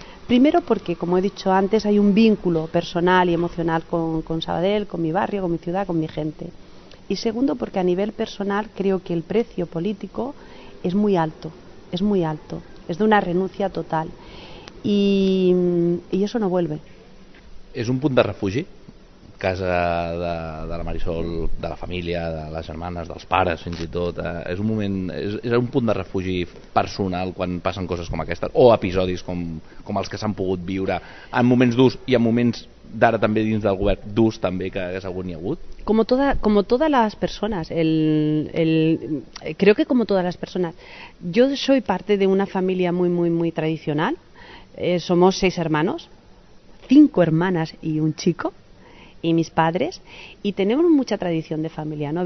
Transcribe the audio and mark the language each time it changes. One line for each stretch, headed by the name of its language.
Spanish: Primero porque, como he dicho antes, hay un vínculo personal y emocional con Sabadell, con mi barrio, con mi ciudad, con mi gente. Y segundo porque a nivel personal creo que el precio político es muy alto, es muy alto. Es de una renuncia total. Y eso no vuelve.
Catalan: És un punt de refugi casa de la Marisol, de la família, de les germanes, dels pares, fins i tot. És un moment, és un punt de refugi personal quan passen coses com aquestes, o episodis com els que s'han pogut viure en moments durs i en moments d'ara també dins del govern durs també que hagués algun hi ha hagut?
Spanish: Como todas las personas, creo que como todas las personas. Yo soy parte de una familia muy, muy, muy tradicional. Somos 6 hermanos, 5 hermanas y un chico, y mis padres, y tenemos mucha tradición de familia, ¿no?